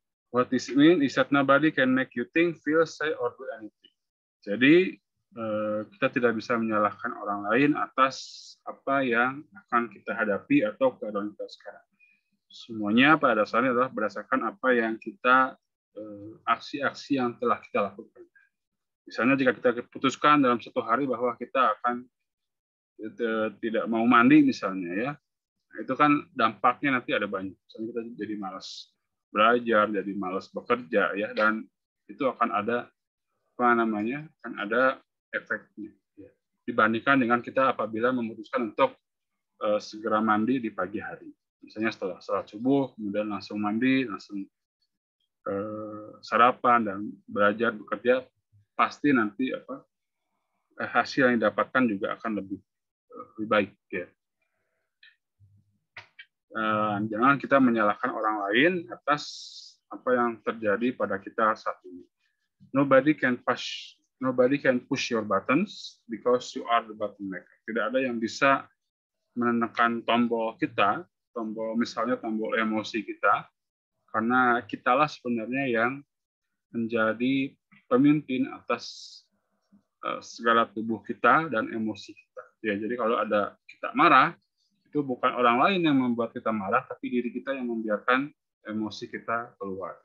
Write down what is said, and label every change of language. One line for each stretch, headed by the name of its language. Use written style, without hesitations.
English: What this mean is that nobody can make you think, feel, say, or do anything.
Indonesian: Jadi kita tidak bisa menyalahkan orang lain atas apa yang akan kita hadapi atau keadaan kita sekarang. Semuanya pada dasarnya adalah berdasarkan apa yang kita aksi-aksi yang telah kita lakukan. Misalnya jika kita putuskan dalam satu hari bahwa kita akan tidak mau mandi misalnya ya, itu kan dampaknya nanti ada banyak. Misalnya kita jadi malas belajar, jadi malas bekerja ya, dan itu akan ada akan ada efeknya ya. Dibandingkan dengan kita apabila memutuskan untuk segera mandi di pagi hari, misalnya setelah salat subuh kemudian langsung mandi, langsung sarapan dan belajar bekerja, pasti nanti hasil yang didapatkan juga akan lebih baik ya. Jangan kita menyalahkan orang lain atas apa yang terjadi pada kita saat ini.
English: Nobody can push your buttons because you are the button maker.
Indonesian: Tidak ada yang bisa menekan tombol kita, tombol emosi kita, karena kitalah sebenarnya yang menjadi pemimpin atas segala tubuh kita dan emosi kita. Ya, jadi kalau ada kita marah, itu bukan orang lain yang membuat kita marah, tapi diri kita yang membiarkan emosi kita keluar.